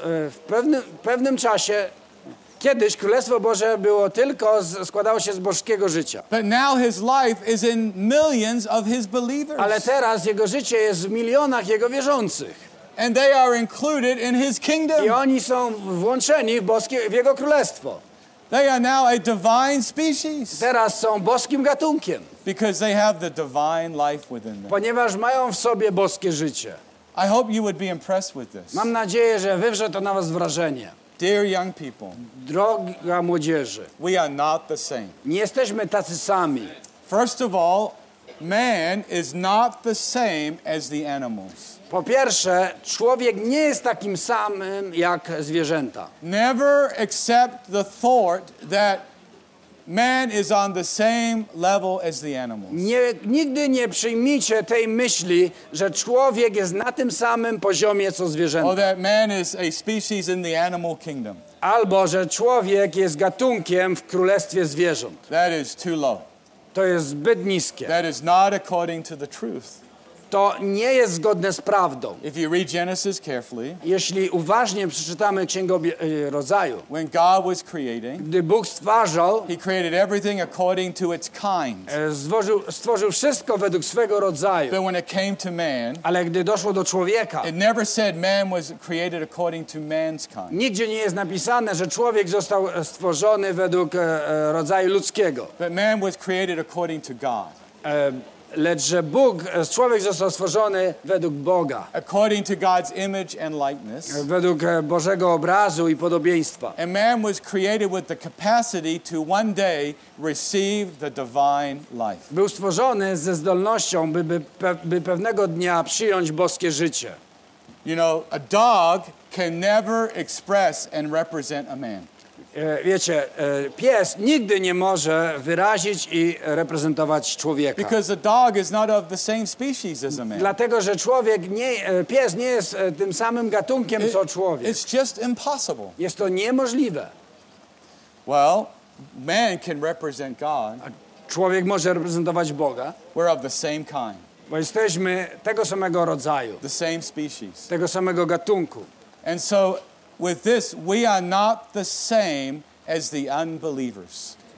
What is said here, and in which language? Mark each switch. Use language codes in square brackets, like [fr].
[pl] W pewnym czasie, kiedyś Królestwo Boże było tylko, składało się z boskiego życia. [en] But now his life is in millions of his believers. [pl] Ale teraz jego życie jest w milionach jego wierzących. [en] And they are included in his kingdom. [pl] I oni są włączeni w jego królestwo. [en] They are now a divine species. [pl] Teraz są boskim gatunkiem. [en] Because they have the divine life within them. [pl] Ponieważ mają w sobie boskie życie. [en] I hope you would be impressed with this. [pl] Mam nadzieję, że wywrze to na was wrażenie. [en] Dear young people. [pl] Droga młodzieży. [en] We are not the same. [pl] Nie jesteśmy tacy sami. [en] First of all, man is not the same as the animals. [pl] Po pierwsze, człowiek nie jest takim samym jak zwierzęta. [en] Never accept the thought that man is on the same level as the animals. [pl] Nigdy nie przyjmijcie tej myśli, że człowiek jest na tym samym poziomie co zwierzęta. [en] Or that man is a species in the animal kingdom. [pl] Albo że człowiek jest gatunkiem w królestwie zwierząt. [en] That is too low. [pl] To jest zbyt niskie. [en] That is not according to the truth. [pl] To nie jest zgodne z prawdą. [en] If you read Genesis carefully, [pl] jeśli uważnie przeczytamy Księgę Rodzaju, [en] when God was creating, [pl] gdy Bóg stwarzał, [en] he created everything according to its kind. [pl] Stworzył wszystko według swego rodzaju. [en] But when it came to man, [pl] ale gdy doszło do człowieka, [en] it never said man was created according to man's kind. [pl] Nigdzie nie jest napisane, że człowiek został stworzony według rodzaju ludzkiego. [en] But man was created according to God. [pl] Lecz że Bóg, człowiek został stworzony według Boga. [en] According to God's image and likeness. [pl] Według Bożego obrazu i podobieństwa. [en] And man was created with the capacity to one day receive the divine life. [pl] Był stworzony ze zdolnością, by pewnego dnia przyjąć boskie życie. [en] You know, a dog can never express and represent a man. [pl] Wiecie, pies nigdy nie może wyrazić i reprezentować człowieka. [en] Because a dog is not of the same species as a man. [pl] Dlatego, że człowiek nie, pies nie jest tym samym gatunkiem co człowiek. [en] It's just impossible. [pl] Jest to niemożliwe. [en] Well, man can represent God. [pl] A człowiek może reprezentować Boga. [en] We're of the same kind. [pl] Bo jesteśmy tego samego rodzaju. [en] The same species. [pl] Tego samego gatunku. [en] And so with this, we are not the same as the unbelievers.